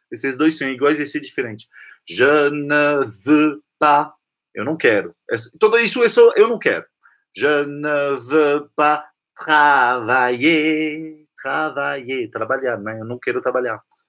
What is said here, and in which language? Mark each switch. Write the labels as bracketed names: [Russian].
[Portuguese] Esses dois são iguais e esse é diferente. [French] Je ne veux pas. [Portuguese] Eu não quero. Tudo isso é só eu não quero. [French] Je ne veux pas travailler. [Portuguese] Trabalhar, né? Eu não quero trabalhar.